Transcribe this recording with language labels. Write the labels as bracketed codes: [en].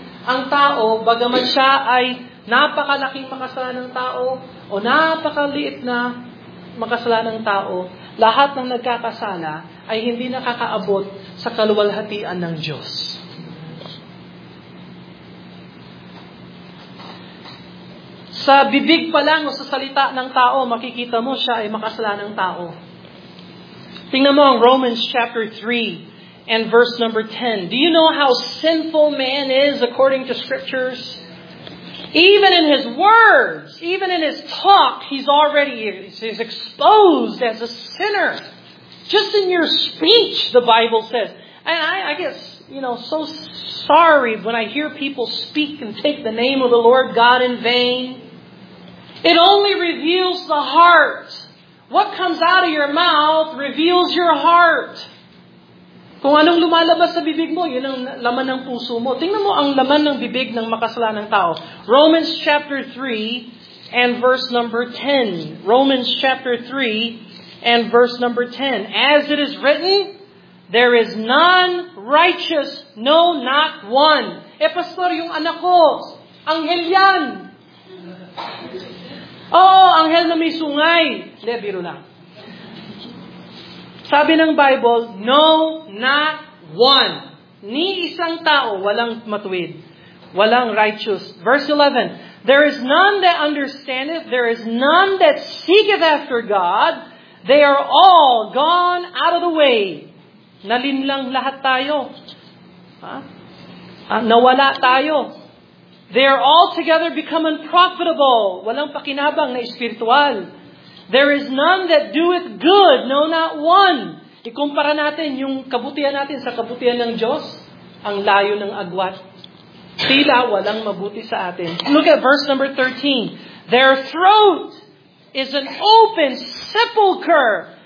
[tl] Ang tao, bagaman siya ay napakalaking makasalanang tao o napakaliit na makasalanang tao, lahat ng nagkakasala ay hindi nakakaabot sa kaluwalhatian ng Diyos. Sa bibig pa lang o sa salita ng tao, makikita mo siya ay makasalanang tao. Tingnan mo ang [en] Romans chapter 3 and verse number 10. Do you know how sinful man is according to scriptures? Even in his words, even in his talk, he's exposed as a sinner. Just in your speech, the Bible says. And I guess, you know, so sorry when I hear people speak and take the name of the Lord God in vain. It only reveals the heart. What comes out of your mouth reveals your heart. [tl] Kung anong lumalabas sa bibig mo, yun ang laman ng puso mo. Tingnan mo ang laman ng bibig ng makasalanang tao. [en] Romans chapter 3 and verse number 10. Romans chapter 3 and verse number 10. As it is written, there is none righteous, no, not one. [tl] Eh, pastor, yung anak ko, anghel yan. Oo, anghel na may sungay. Hindi, biro lang. Sabi ng Bible, [en] no, not one. [tl] Ni isang tao, walang matuwid. Walang righteous. [en] Verse 11, there is none that understandeth, there is none that seeketh after God, they are all gone out of the way. [tl] Nalinlang lahat tayo. Nawala tayo. [en] They are altogether become unprofitable. [tl] Walang pakinabang na espiritual. [en] There is none that doeth good, no, not one. [tl] Ikumpara natin yung kabutihan natin sa kabutihan ng Diyos, ang layo ng agwat. Tila walang mabuti sa atin. [en] Look at verse number 13. Their throat is an open sepulcher.